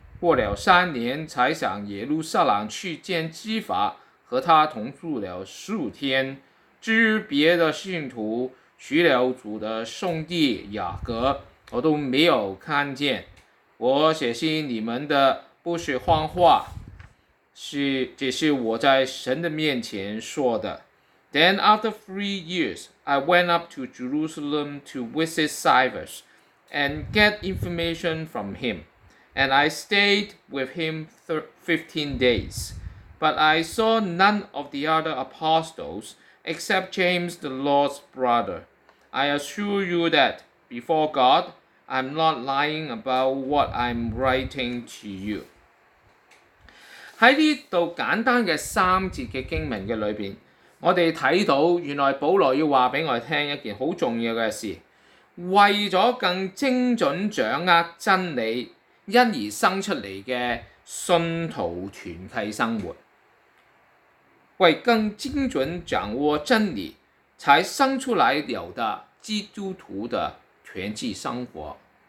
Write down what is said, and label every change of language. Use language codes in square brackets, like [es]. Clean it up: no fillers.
[zh] 过了三年才上耶路撒冷去见基法，和他同住了十五天。至于别的信徒，除了主的兄弟雅各，我都没有看见。我写信你们的不是谎话，只是我在神的面前说的。 [en] Then after 3 years, I went up to Jerusalem to visit Cyrus and get information from him. and I stayed with him 15 days. But I saw none of the other apostles except James, the Lord's brother. I assure you that before God, I'm not lying about what I'm writing to you. [zh] 在这里简单的三节的经文里面，我们看到原来保罗要告诉我们一件很重要的事，为了更精准掌握真理，因而生出来的信徒团契生活，为更精准掌握真理才生出来有的基督徒的团契生活。